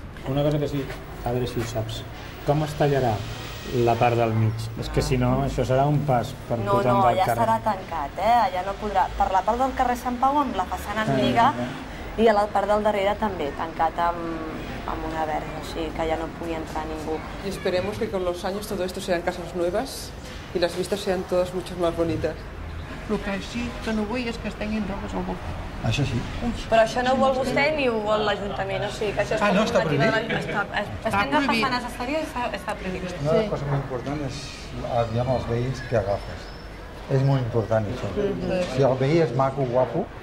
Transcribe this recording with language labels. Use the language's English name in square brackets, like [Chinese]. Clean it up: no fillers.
[Catalan] Una cosa que sí, a veure si ho saps. Com es tallarà la part del mig? És que si no, això serà un pas per tot amb el carrer. No, allà serà tancat, eh? Allà no podrà... Per la part del carrer Sant Pau, amb la façana antiga, i a la part del darrere també, tancat amb una verga, així que allà no pugui entrar ningú. [Spanish] Y esperemos que con los años todo esto sean casas nuevas y las vistas sean todas mucho más bonitas. [Catalan] El que sí que no vull és que es tinguin drogues al bosc. Això sí. Però això no ho vol vostè ni ho vol l'Ajuntament, o sigui que això és... Ah, no, està prohibit. Estem defensant necessària i està prohibit. Una cosa molt important és dir als veïns que agafes. És molt important això. Si el veí és maco, guapo...